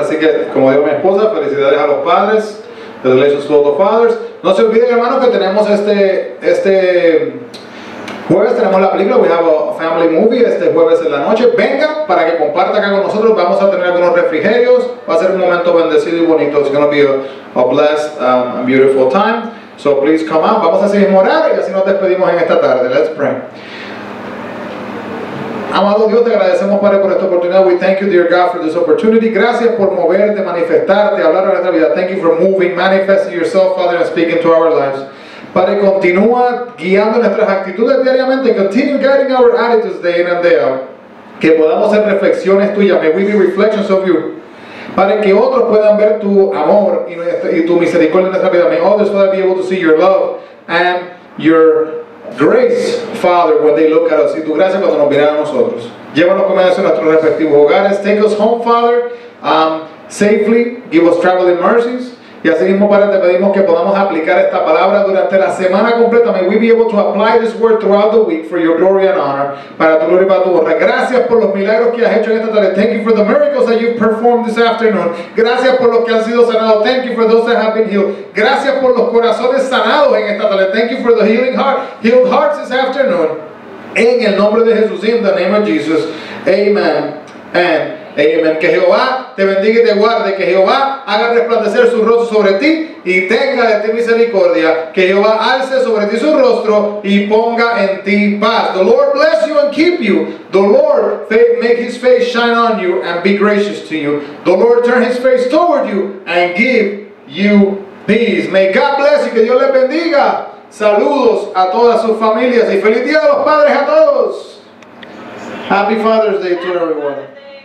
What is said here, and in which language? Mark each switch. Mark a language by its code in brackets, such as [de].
[es] Así que, como dijo mi esposa, felicidades a los padres. Felicidades a todos los padres. No se olviden, hermanos, que tenemos este jueves tenemos la película. [en] We have a family movie [es] este jueves en la noche. Venga para que comparta acá con nosotros. Vamos a tener algunos refrigerios. Va a ser un momento bendecido y bonito. [en] It's going to be a blessed and beautiful time. So please come out. [es] Vamos a seguir orando y así nos despedimos en esta tarde. [en] Let's pray. [es] Amado Dios, te agradecemos, Padre, por esta oportunidad. [en] We thank you, dear God, for this opportunity. [es] Gracias por moverte, manifestarte, hablar a nuestra vida. [en] Thank you for moving, manifesting yourself, Father, and speaking to our lives. [es] Padre, continúa guiando nuestras actitudes diariamente. [en] Continue guiding our attitudes day in and day out. [es] Que podamos ser reflexiones tuyas. [en] May we be reflections of you. [es] Padre, que otros puedan ver tu amor y tu misericordia en nuestra vida. [en] May others be able to see your love and your grace, Father, when they look at us. [es] Y tu gracia cuando nos miran a nosotros. Llévanos con bendición a nuestros respectivos hogares. [en] Take us home, Father, safely. Give us traveling mercies. [es] Y así mismo, Padre, te pedimos que podamos aplicar esta palabra durante la semana completa. [en] May we be able to apply this word throughout the week for your glory and honor. [es] Para tu gloria y para tu honra. Gracias por los milagros que has hecho en esta tarde. [en] Thank you for the miracles that you've performed this afternoon. [es] Gracias por los que han sido sanados. [en] Thank you for those that have been healed. [es] Gracias por los corazones sanados en esta tarde. [en] Thank you for the healing heart, healed hearts this afternoon. [es] En el nombre de Jesús, [en] in the name of Jesus. Amen. And amen. [es] Que Jehová te bendiga y te guarde. Que Jehová haga resplandecer su rostro sobre ti y tenga de ti misericordia. Que Jehová alce sobre ti su rostro y ponga en ti paz. [en] The Lord bless you and keep you. The Lord make his face shine on you and be gracious to you. The Lord turn his face toward you and give you peace. May God bless you. [es] Que Dios les bendiga. Saludos a todas sus familias y feliz día de los padres a todos. [en] Happy Father's Day to everyone.